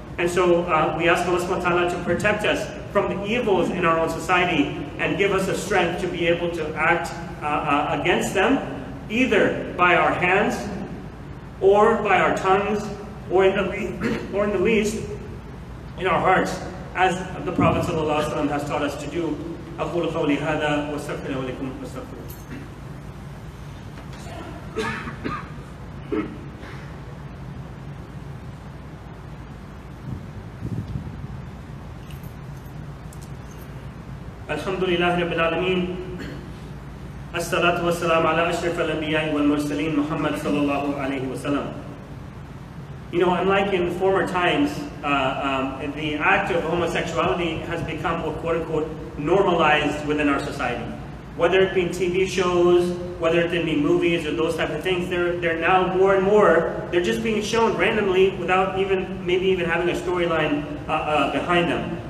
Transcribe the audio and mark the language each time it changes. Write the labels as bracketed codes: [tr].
[en] And so we ask Allah subhanahu wa ta'ala to protect us from the evils in our own society and give us the strength to be able to act against them, either by our hands or by our tongues or in the least in our hearts, as the Prophet sallallahu alaihi wasallam has taught us to do. [ar] أقول قولي هذا واستغفر الله لكم واستغفر الله. الحمد لله رب العالمين. الصلاة والسلام على أشرف الأنبياء والمرسلين محمد صلى الله عليه وسلم. [en] You know, unlike in former times, the act of homosexuality has become, quote unquote, normalized within our society. Whether it be in TV shows, whether it be movies or those type of things, they're now more and more, they're just being shown randomly without even, maybe even having a storyline behind them.